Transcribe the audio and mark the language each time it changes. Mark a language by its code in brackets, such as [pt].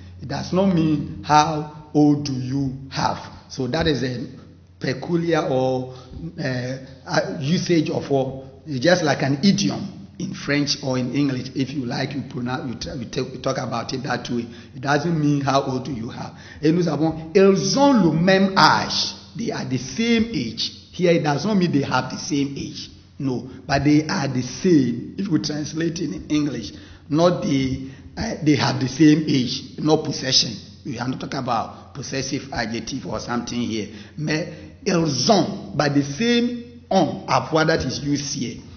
[en] It does not mean how old do you have. So that is a peculiar or usage of form. It's just like an idiom in French or in English. If you like, you pronounce, you talk about it that way. It doesn't mean how old do you have. [fr] Et nous avons, elles ont le même âge. [en] They are the same age. Here it does not mean they have the same age. No, but they are the same. If we translate it in English, not the they have the same age, no possession. We are not talking about possessive adjective or something here. [fr] Mais elles ont, [en] by the same on, avoir that is used here.